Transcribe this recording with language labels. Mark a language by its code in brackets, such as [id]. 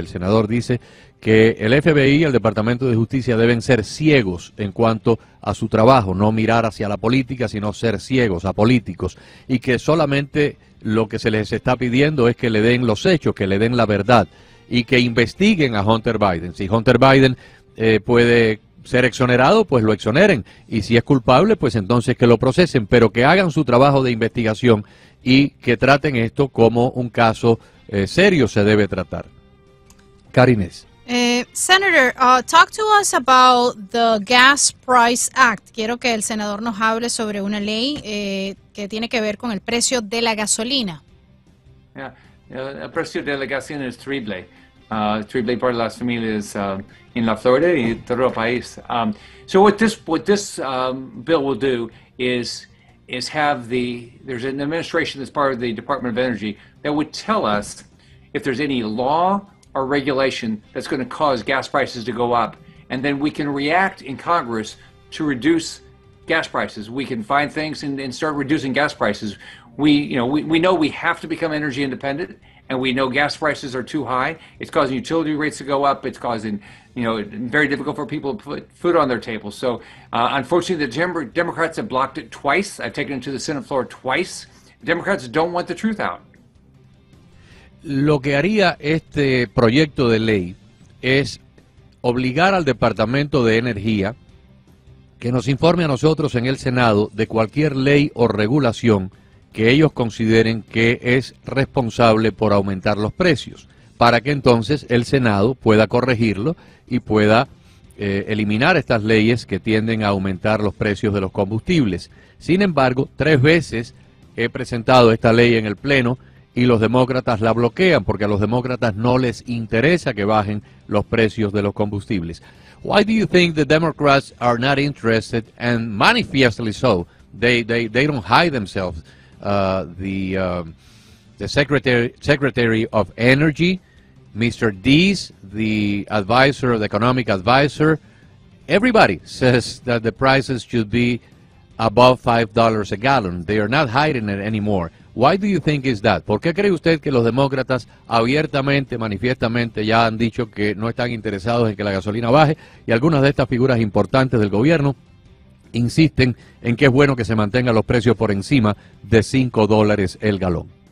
[es] El senador dice que el FBI y el Departamento de Justicia deben ser ciegos en cuanto a su trabajo, no mirar hacia la política, sino ser ciegos a políticos, y que solamente lo que se les está pidiendo es que le den los hechos, que le den la verdad, y que investiguen a Hunter Biden. Si Hunter Biden puede ser exonerado, pues lo exoneren, y si es culpable, pues entonces que lo procesen, pero que hagan su trabajo de investigación y que traten esto como un caso serio se debe tratar. Karines. [en] Senator, talk to us about the Gas Price Act. [es] Quiero que el senador nos hable sobre una ley que tiene que ver con el precio de la gasolina. [en] Yeah. [es] El precio de la gasolina es triple, triple para las familias en la Florida y todo el país. [en] So what this bill will do is have there's an administration that's part of the Department of Energy that would tell us if there's any law or regulation that's going to cause gas prices to go up, and then we can react in Congress to reduce gas prices. We can find things and start reducing gas prices. We know we have to become energy independent, and we know gas prices are too high. It's causing utility rates to go up. It's causing, very difficult for people to put food on their table. So unfortunately, the Democrats have blocked it twice. I've taken it to the Senate floor twice. Democrats don't want the truth out. [es] Lo que haría este proyecto de ley es obligar al Departamento de Energía que nos informe a nosotros en el Senado de cualquier ley o regulación que ellos consideren que es responsable por aumentar los precios, para que entonces el Senado pueda corregirlo y pueda eliminar estas leyes que tienden a aumentar los precios de los combustibles. Sin embargo, tres veces he presentado esta ley en el Pleno y los demócratas la bloquean, porque a los demócratas no les interesa que bajen los precios de los combustibles. [en] Why do you think the Democrats are not interested, and manifestly so? They don't hide themselves. The Secretary of Energy, Mr. Deese, the advisor, the economic advisor, everybody says that the prices should be above $5 a gallon. They are not hiding it anymore. Why do you think is that? [es] ¿Por qué cree usted que los demócratas abiertamente, manifiestamente, ya han dicho que no están interesados en que la gasolina baje, y algunas de estas figuras importantes del gobierno insisten en que es bueno que se mantengan los precios por encima de $5 el galón?